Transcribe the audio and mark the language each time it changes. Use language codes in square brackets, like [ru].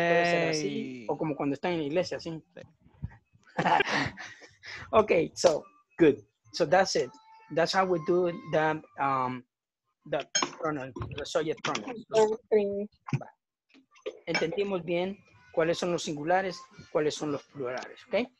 [es] Puede ser así, o como cuando están en la iglesia, ¿sí? [en] Okay, so good. So that's it. That's how we do the pronoun, the subject pronoun. [es] Entendimos bien cuáles son los singulares, cuáles son los plurales, okay?